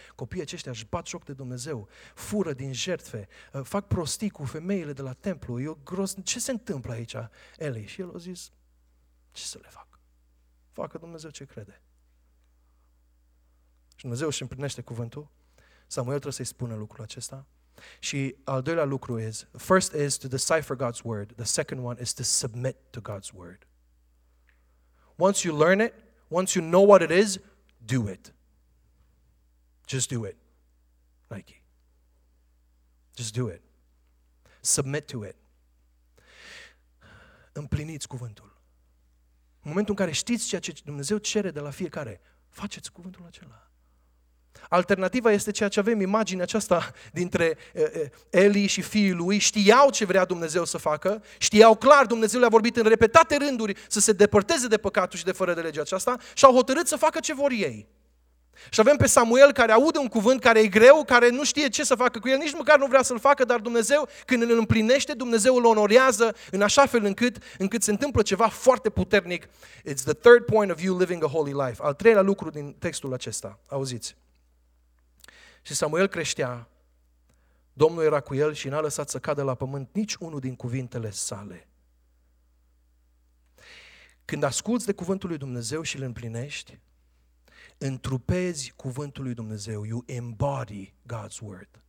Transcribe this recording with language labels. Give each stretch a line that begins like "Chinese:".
Romanian: Copiii aceștia își bat joc de Dumnezeu, fură din jertfe, fac prostii cu femeile de la templu. Eu gros, ce se întâmplă aici, Eli? Și el a zis: ce să le fac? Facă Dumnezeu ce crede. Și Dumnezeu își împlinește cuvântul. Samuel trebuie să-i spună lucrul acesta. Și al doilea lucru este:
English: first is to decipher God's word. The second one is to submit to God's word. Once you learn it, once you know what it is, do it. Just do it. Nike. Just do it. Submit to it.
Romanian: Împliniți cuvântul. În momentul în care știți ceea ce Dumnezeu cere de la fiecare, faceți cuvântul acela. Alternativa este ceea ce avem, imaginea aceasta dintre Eli și fiii lui. Știau ce vrea Dumnezeu să facă, știau clar, Dumnezeu le-a vorbit în repetate rânduri să se depărteze de păcatul și de fără de legea aceasta și au hotărât să facă ce vor ei. Și avem pe Samuel care aude un cuvânt care e greu, care nu știe ce să facă cu el, nici măcar nu vrea să-l facă, dar Dumnezeu, când îl împlinește, Dumnezeu îl onorează în așa fel încât se întâmplă ceva foarte puternic.
English: It's the third point of you living a holy life.
Romanian: Al treilea lucru din textul acesta, auziți. Și Samuel creștea, Domnul era cu el și n-a lăsat să cadă la pământ nici unul din cuvintele sale. Când asculți de cuvântul lui Dumnezeu și îl împlinești, întrupezi cuvântul lui Dumnezeu,
English: you embody God's word.